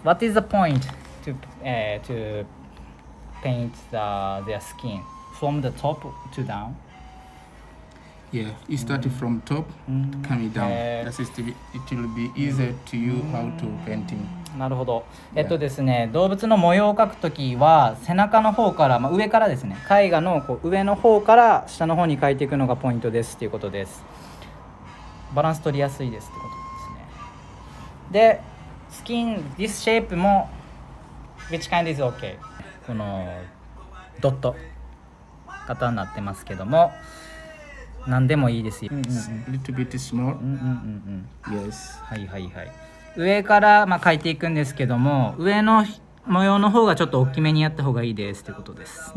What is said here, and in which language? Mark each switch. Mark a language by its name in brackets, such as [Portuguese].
[English] What is the point to,、to paint the, their skin from the top to down? Yeah, it started from top to coming down. That is to be, it will be easier to you how to painting. [Japanese] なるほど。ですね、動物の模様を描くときは背中の方から、まあ、上からですね、絵画のこう上の方から下の方に描いていくのがポイントですっていうことです。バランス取りやすいですってことですね。 [English] で、スキン、this shape も、which kind is okay? [Japanese] このドット型になってますけども、何でもいいですよ。 [English] A little bit small. Yes. [Japanese] はいはいはい。上からまあ描いていくんですけども、上の模様の方がちょっと大きめにやった方がいいですってことです。